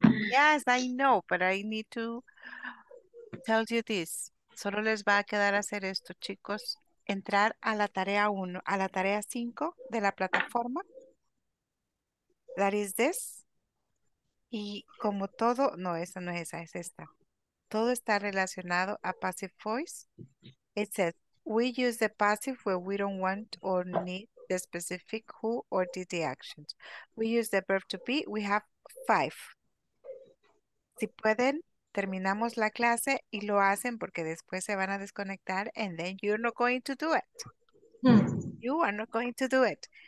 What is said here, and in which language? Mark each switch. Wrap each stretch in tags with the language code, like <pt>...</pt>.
<en>Yes, I know, but I need to tell you this.</en> <es>Solo les va a quedar hacer esto, chicos. Entrar a la tarea 1, a la tarea 5 de la plataforma.</es> <en>That is this.</en> <es>Y como todo, no, esa no es esa, es esta. Todo está relacionado a passive voice.</es> <en>It says, we use the passive where we don't want or need the specific who or did the actions. We use the verb to be, we have 5.</en> <es>Si pueden... Terminamos la clase y lo hacen porque después se van a desconectar</es> <en>and then you're not going to do it. You are not going to do it.</en>